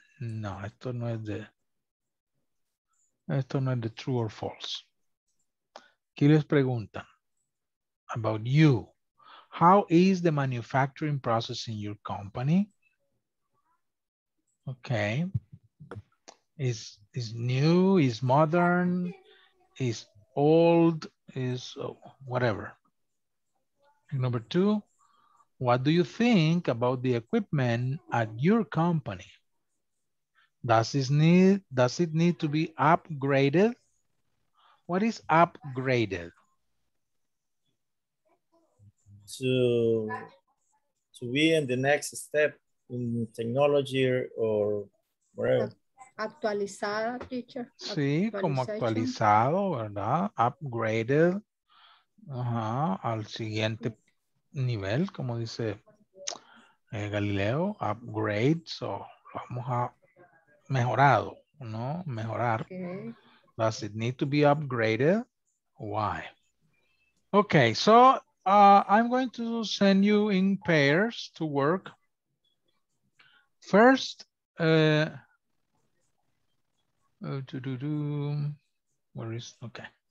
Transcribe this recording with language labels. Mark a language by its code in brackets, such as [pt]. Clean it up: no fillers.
[es] No, esto no es de [en] true or false. [es] ¿Qué les preguntan? [en] About you. How is the manufacturing process in your company? Okay. Is new, is modern, is old, is whatever. Number two, what do you think about the equipment at your company? Does it need to be upgraded? What is upgraded? To be in the next step in technology or whatever. [es] Actualizada, teacher. Sí, como actualizado, ¿verdad? Upgraded al siguiente nivel, como dice Galileo, upgrade, so vamos a mejorado, ¿no? Mejorar. [en] Okay. Does it need to be upgraded? Why? Okay, so I'm going to send you in pairs to work. First, where is, okay.